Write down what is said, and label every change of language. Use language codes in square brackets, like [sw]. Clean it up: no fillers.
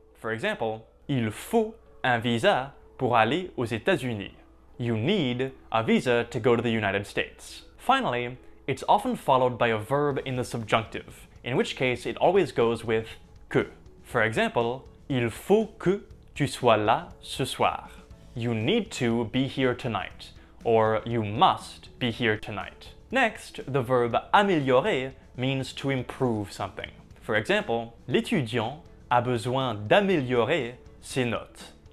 [en] For example, [fr] il faut un visa pour aller aux États-Unis. [en] You need a visa to go to the United States. Finally, it's often followed by a verb in the subjunctive, in which case it always goes with que. For example, [fr] il faut que tu sois là ce soir. [en] You need to be here tonight. Or you must be here tonight. Next, the verb améliorer means to improve something. For example, [fr] l'étudiant a besoin d'améliorer ses notes.